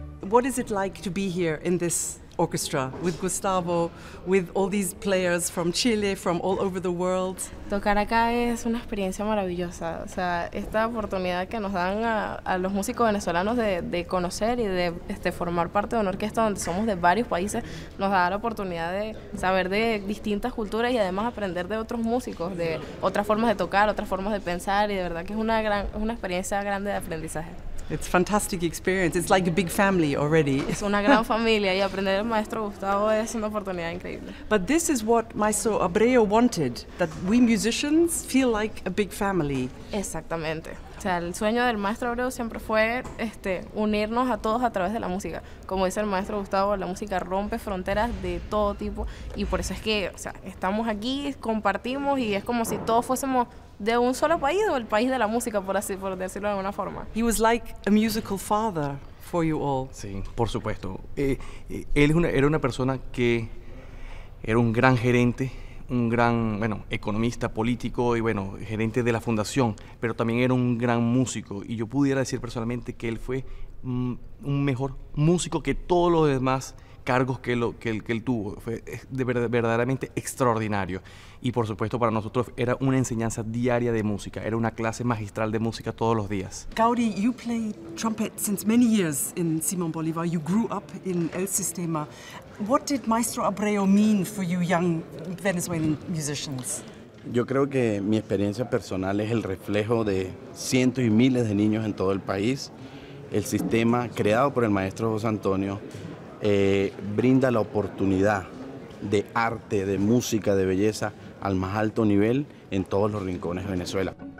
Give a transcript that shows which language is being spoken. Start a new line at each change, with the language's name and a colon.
English: What is it like to be here in this orchestra with Gustavo, with all these players from Chile, from all over the world?
Spanish: Tocar acá es una experiencia maravillosa. O sea, esta oportunidad que nos dan a los músicos venezolanos de conocer y de formar parte de una orquesta donde somos de varios países nos da la oportunidad de saber de distintas culturas y además aprender de otros músicos, de otras formas de tocar, otras formas de pensar y de verdad que es una gran es una experiencia grande de aprendizaje.
English: It's a fantastic experience. It's like a big family already.
Spanish: Es una gran familia y aprender el maestro Gustavo es una oportunidad increíble.
English: But this is what Maestro Abreu wanted, that we musicians feel like a big family.
Spanish: Exactamente. O sea, el sueño del maestro Abreu siempre fue unirnos a todos a través de la música. Como dice el maestro Gustavo, la música rompe fronteras de todo tipo y por eso es que, o sea, estamos aquí, compartimos y es como si todos fuésemos de un solo país o el país de la música, por así por decirlo de alguna forma.
English: He was like a musical father for you all.
Spanish: Sí, por supuesto. Él era una persona que era un gran gerente, un gran, bueno, economista, político y bueno, gerente de la fundación, pero también era un gran músico y yo pudiera decir personalmente que él fue un mejor músico que todos los demás cargos que él tuvo. Fue verdaderamente extraordinario y por supuesto para nosotros era una enseñanza diaria de música, era una clase magistral de música todos los días.
English: Gaudi, you played trumpet since many years in Simón Bolívar, you grew up in El Sistema. What did Maestro Abreu mean for you young Venezuelan musicians?
Spanish: Yo creo que mi experiencia personal es el reflejo de cientos y miles de niños en todo el país. El sistema creado por el maestro José Antonio brinda la oportunidad de arte, de música, de belleza al más alto nivel en todos los rincones de Venezuela.